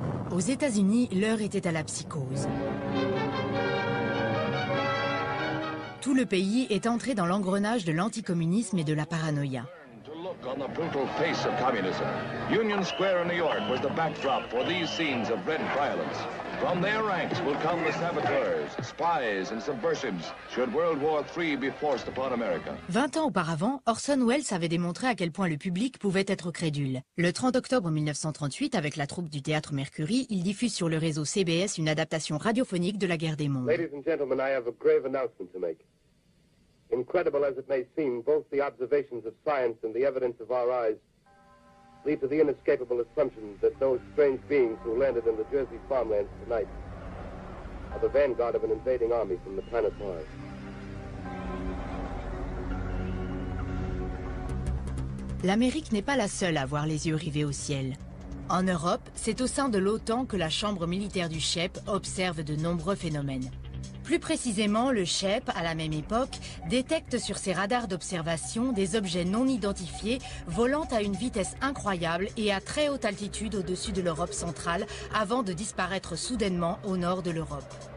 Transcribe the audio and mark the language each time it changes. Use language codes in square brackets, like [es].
[fr] Aux États-Unis, l'heure était à la psychose. Tout le pays est entré dans l'engrenage de l'anticommunisme et de la paranoïa. [en] On the brutal face of communism. Union Square in New York was the backdrop for these scenes of red violence. From their ranks will come the saboteurs, spies and subversives should World War III be forced upon America. [fr] 20 ans auparavant, Orson Welles avait démontré à quel point le public pouvait être crédule. Le 30 octobre 1938, avec la troupe du théâtre Mercury, il diffuse sur le réseau CBS une adaptation radiophonique de La Guerre des Mondes. [en] Ladies and gentlemen, I have a grave announcement to make. Incredible as it may seem, both the observations of science and the evidence of our eyes lead to the inescapable assumption that those strange beings who landed in the Jersey farmlands tonight are the vanguard of an invading army from the planet Mars. [fr] L'Amérique n'est pas la seule à avoir les yeux rivés au ciel. En Europe, c'est au sein de l'OTAN que la chambre militaire du CHEP observe de nombreux phénomènes. Plus précisément, le CHEP, à la même époque, détecte sur ses radars d'observation des objets non identifiés volant à une vitesse incroyable et à très haute altitude au-dessus de l'Europe centrale avant de disparaître soudainement au nord de l'Europe.